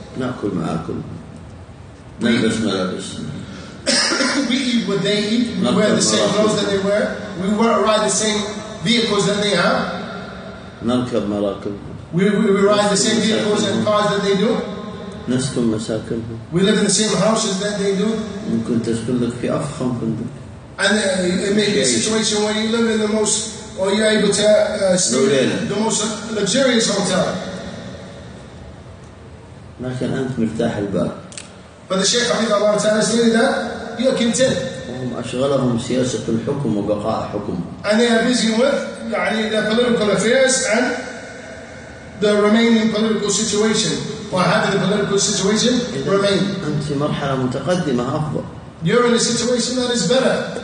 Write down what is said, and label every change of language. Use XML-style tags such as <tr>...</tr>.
<ar>نأكل معكم. نلبس ملابس.</ar> <en>We eat what they eat. We wear the same clothes that they wear. We ride the same vehicles that they have.</en> <ar>نركب مراكب.</ar> <en>We ride the same vehicles and cars that they do.</en> <ar>نسكن مساكنهم.</ar> <en>We live in the same houses that they do.</en> <ar>ممكن تسكن لك في أفخم فندق.</ar> <en>And it may be a situation where you live in the most, or you're able to stay in the most luxurious hotel.</en> <ar>لكن أنت مرتاح الباب.</ar> <en>But the Shaykh Habib Allah Ta'ala stated that you are content.</en> <ar>هم أشغلهم سياسة الحكم وبقاء حكم.</ar> <en>And they are busy with يعني their political affairs and the remaining political situation. وهذا the political situation remain.</en> <ar>أنت في مرحلة متقدمة أفضل.</ar> <en>You're in a situation that is better.</en>